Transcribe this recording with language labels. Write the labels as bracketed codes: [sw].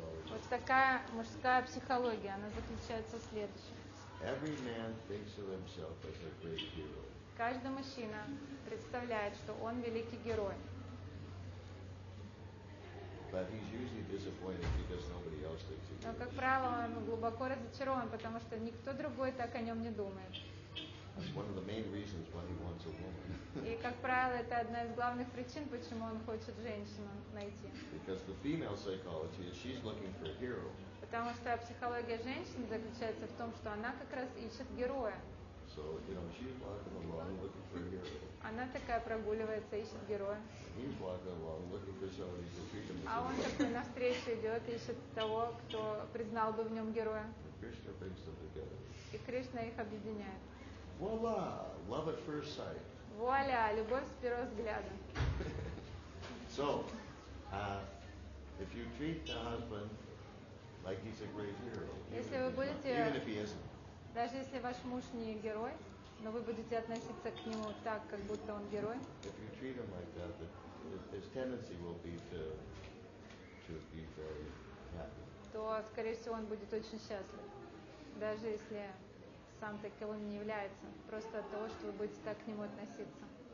[ru] Вот такая мужская психология, она заключается в следующем. Каждый мужчина представляет, что он великий герой. [en] But he's usually disappointed because nobody else thinks he is. [ru] Но, как правило, он глубоко разочарован, потому что никто другой так о нем не думает. [en] That's one of the main reasons why he wants a woman. [ru] И как как правило, это одна из главных причин, почему он хочет женщину найти. [en] Because the female psychology is she's looking for a hero. [ru] Потому что психология женщины заключается в том, что она как раз ищет героя. [en] So, you know, she's walking along looking for a hero. [ru] Она такая прогуливается, ищет героя. [en] He's walking along looking for somebody to treat him. [ru] А он такой навстречу идет, ищет того, кто признал бы в нем героя. [en] Krishna brings them together. [ru] И Кришна их объединяет. [en] Voila, love at first sight. [ru] Вуаля, любовь с первого взгляда. [en] So, if you treat the husband like he's a great hero, [ru] если вы будете, [en] even if he isn't, [ru] даже если ваш муж не герой, но вы будете относиться к нему так, как будто он герой, [en] if you treat him like that, his tendency will be to be very happy. [ru] То, скорее всего, он будет очень счастлив, даже если сам таким он не является, просто от того, что вы будете так к нему относиться.